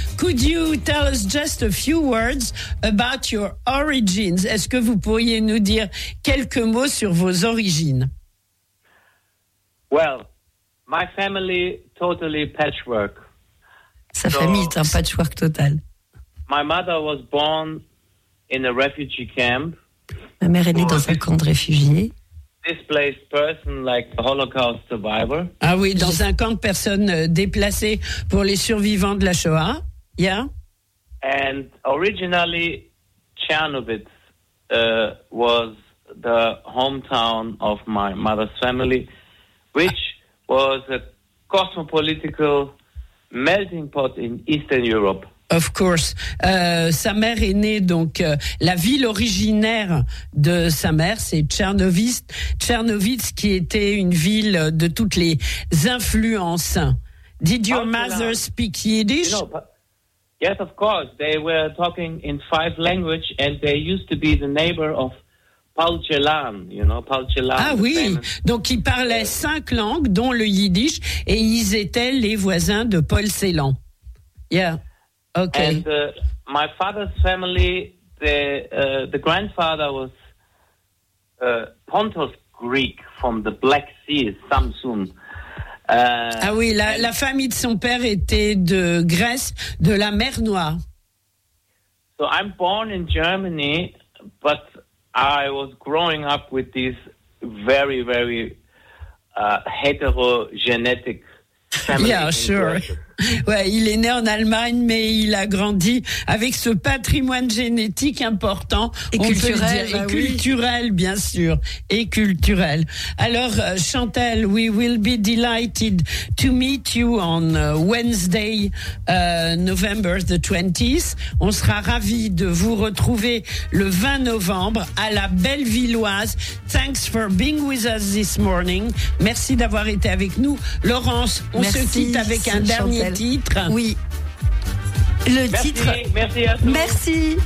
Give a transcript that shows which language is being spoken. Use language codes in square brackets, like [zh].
[en] Could you tell us just a few words about your origins? [fr] Est-ce que vous pourriez nous dire quelques mots sur vos origines? [en] Well, my family totally patchwork. [fr] Sa famille est un patchwork total. [en] My mother was born in a refugee camp. [fr] Ma mère est née dans un camp de réfugiés. [en] Displaced person like the Holocaust survivor. [fr] Ah oui, dans un camp de personnes déplacées pour les survivants de la Shoah. [en] Yeah. And originally, Chernobyl was the hometown of my mother's family, which was a cosmopolitical melting pot in Eastern Europe. Of course. [fr] Sa mère est née, donc, la ville originaire de sa mère, c'est Tchernovitz. Tchernovitz qui était une ville de toutes les influences. [en] Did your mother speak Yiddish? No, but, yes, of course. They were talking in five languages and they used to be the neighbor of Paul Celan, you know, Paul Celan. [fr] Ah oui, donc ils parlaient cinq langues, dont le Yiddish, et ils étaient les voisins de Paul Celan. [en] Yeah. Okay. And my father's family, the grandfather was Pontus Greek from the Black Sea, Samsun. [fr] Ah oui, la famille de son père était de Grèce, de la mer Noire. [en] So I'm born in Germany, but I was growing up with this very, very heterogenetic family. Yeah, sure. [fr] Ouais, il est né en Allemagne, mais il a grandi avec ce patrimoine génétique important. Et culturel, dire, et culturel bien sûr. Et culturel. [en] Alors, Chantel, we will be delighted to meet you on Wednesday, November the 20th. [fr] On sera ravis de vous retrouver le 20 novembre à la Bellevilloise. [en] Thanks for being with us this morning. [fr] Merci d'avoir été avec nous. Laurence, on merci, se quitte avec un Chantel. Dernier titre. Oui. Le merci, titre. Merci à tous.